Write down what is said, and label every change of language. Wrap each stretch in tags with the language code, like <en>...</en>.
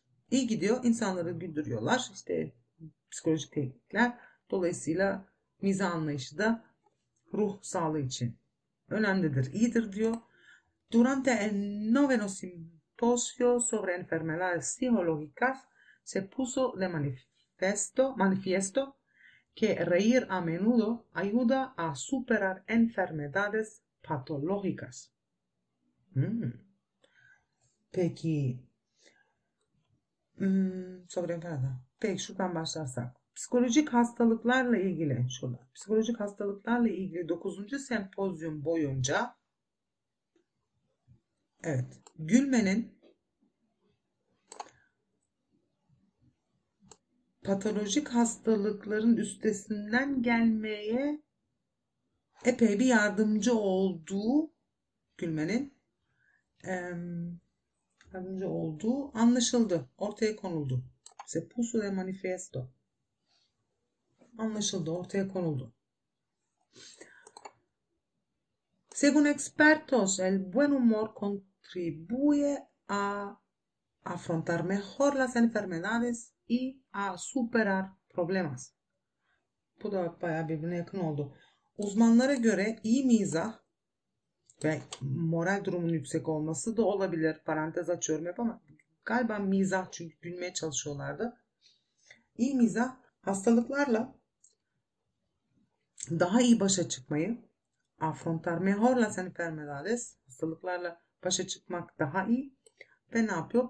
<tr>İyi gidiyor. İnsanları güldürüyorlar. İşte psikolojik teknikler. Dolayısıyla mizah anlayışı da ruh sağlığı için önemlidir, iyidir diyor.</tr> <es>Durante el noveno simposio sobre enfermedades psicológicas se puso de manifiesto que reír a menudo ayuda a superar enfermedades patológicas. Peki, sobre enfermedad.</es> <tr>Peki, şuradan başlarsak. Psikolojik hastalıklarla ilgili şurada. Psikolojik hastalıklarla ilgili 9. sempozyum boyunca evet, gülmenin patolojik hastalıkların üstesinden gelmeye epey bir yardımcı olduğu yardımcı olduğu anlaşıldı. Ortaya konuldu.</tr> <es>Sepusu de manifesto.</es> <tr>Anlaşıldı, ortaya konuldu.</tr> <es>Según expertos, el buen humor contribuye a afrontar mejor las enfermedades y a superar problemas.</es> <tr>Bu da bayağı birbirine yakın oldu. Uzmanlara göre iyi mizah ve moral durumun yüksek olması da olabilir. Parantez açıyorum hep ama galiba mizah çünkü gülmeye çalışıyorlardı. İyi mizah hastalıklarla daha iyi başa çıkmayı,</tr> <es>afrontar mejor las enfermedades,</es> <tr>hastalıklarla başa çıkmak daha iyi ve ne yapıyor?</tr>